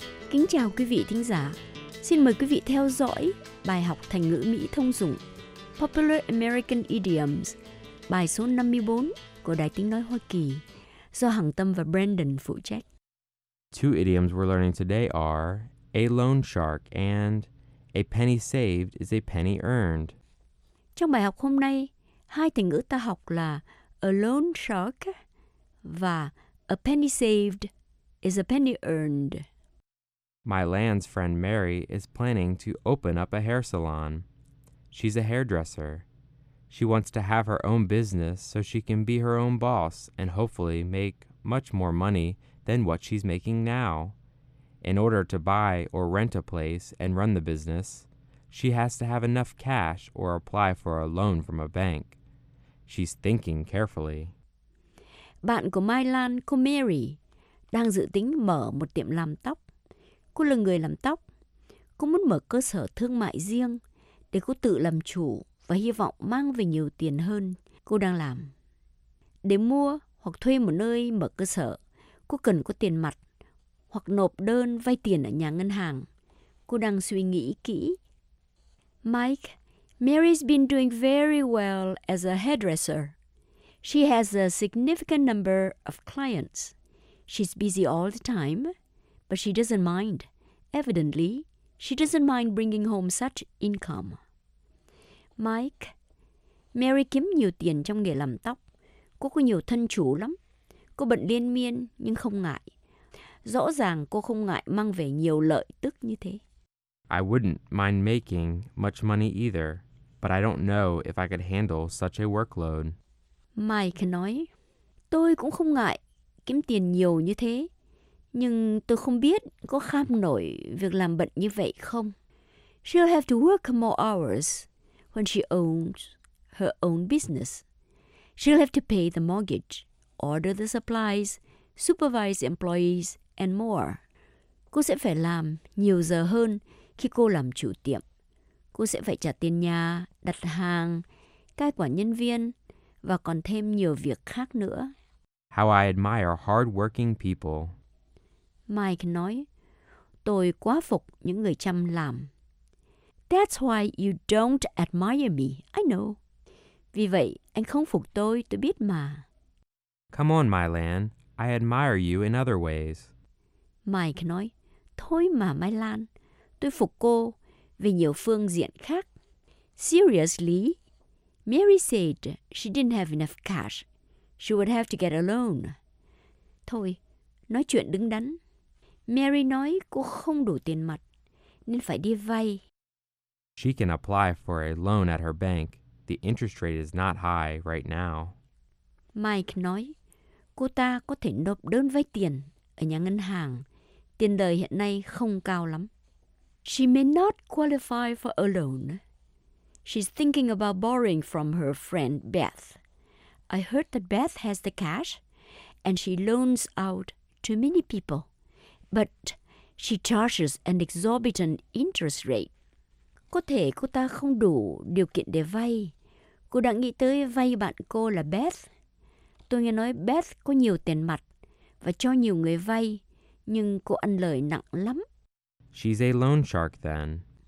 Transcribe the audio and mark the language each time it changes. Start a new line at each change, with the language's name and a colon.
Vietnamese: Kính chào quý vị thính giả. Xin mời quý vị theo dõi bài học thành ngữ Mỹ thông dụng Popular American Idioms, bài số 54 của Đài Tiếng Nói Hoa Kỳ, do Hằng Tâm và Brandon phụ trách.
English: Two idioms we're learning today are a loan shark and a penny saved is a penny earned.
Vietnamese: Trong bài học hôm nay, hai thành ngữ ta học là
English: a loan shark
Vietnamese: và
English: a penny saved is a penny earned. My land's friend Mary is planning to open up a hair salon. She's a hairdresser. She wants to have her own business so she can be her own boss and hopefully make much more money than what she's making now. In order to buy or rent a place and run the business, she has to have enough cash or apply for a loan from a bank. She's thinking carefully.
Vietnamese: Bạn của Mai Lan, cô Mary, đang dự tính mở một tiệm làm tóc. Cô là người làm tóc. Cô muốn mở cơ sở thương mại riêng để cô tự làm chủ và hy vọng mang về nhiều tiền hơn cô đang làm. Để mua hoặc thuê một nơi mở cơ sở, cô cần có tiền mặt hoặc nộp đơn vay tiền ở nhà ngân hàng. Cô đang suy nghĩ kỹ.
English: Mike, Mary's been doing very well as a hairdresser. She has a significant number of clients. She's busy all the time, but she doesn't mind. Evidently, she doesn't mind bringing home such income.
Vietnamese: Mike, Mary kiếm nhiều tiền trong nghề làm tóc. Cô có nhiều thân chủ lắm. Cô bận liên miên nhưng không ngại. Rõ ràng cô không ngại mang về nhiều lợi tức như thế.
English: I wouldn't mind making much money either, but I don't know if I could handle such a workload.
Vietnamese: Mike nói, tôi cũng không ngại kiếm tiền nhiều như thế, nhưng tôi không biết có kham nổi việc làm bận như vậy không.
English: She'll have to work more hours when she owns her own business. She'll have to pay the mortgage, order the supplies, supervise employees, and more.
Vietnamese: Cô sẽ phải làm nhiều giờ hơn khi cô làm chủ tiệm. Cô sẽ phải trả tiền nhà, đặt hàng, cai quản nhân viên, và còn thêm nhiều việc khác nữa.
English: How I admire hardworking people.
Vietnamese: Mike nói, tôi quá phục những người chăm làm.
English: That's why you don't admire me, I know.
Vietnamese: Vì vậy, anh không phục tôi biết mà.
English: Come on, Mai Lan, I admire you in other ways.
Vietnamese: Mike nói, thôi mà Mai Lan, tôi phục cô về nhiều phương diện khác.
English: Seriously, Mary said she didn't have enough cash. She would have to get a loan.
Vietnamese: Thôi, nói chuyện đứng đắn. Mary nói cô không đủ tiền mặt, nên phải đi vay.
English: She can apply for a loan at her bank. The interest rate is not high right now.
Vietnamese: Mike nói, cô ta có thể nộp đơn vay tiền ở nhà ngân hàng. Tiền lời hiện nay không cao lắm.
English: She may not qualify for a loan. She's thinking about borrowing from her friend Beth. I heard that Beth has the cash and she loans out to many people. But she charges an exorbitant interest rate.
Vietnamese: Có thể cô ta không đủ điều kiện để vay. Cô đã nghĩ tới vay bạn cô là Beth. Tôi nghe nói Beth có nhiều tiền mặt và cho nhiều người vay, nhưng cô ăn lời nặng lắm.
English: She's a loan shark then.